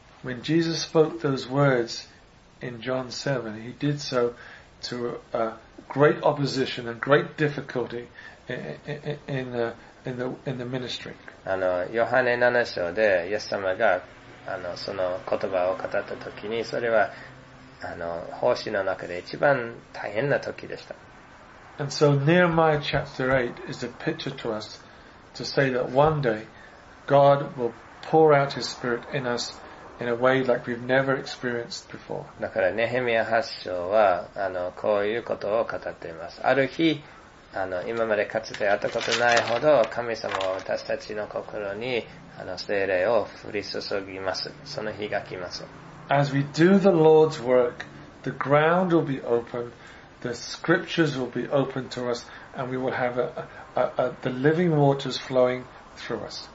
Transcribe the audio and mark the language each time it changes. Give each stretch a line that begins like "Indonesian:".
English: When Jesus spoke those words in John 7, he did so to a great opposition and great difficulty in the ministry.
Japanese: ヨハネ7章でイエス様がその言葉を語った時に、それは奉仕の中で一番大変な時でした。
English: And so Nehemiah chapter 8 is a picture to us to say that one day God will pour out his spirit in us in a way like we've never experienced before.
Japanese: だからネヘミヤ8章はこういうことを語っています。ある日今までかつてあったことないほど神様は私たちの心に聖霊を降り注ぎます。その日が来ます。
English: As we do the Lord's work, the ground will be open, the scriptures will be open to us, and we will have the living waters flowing through us.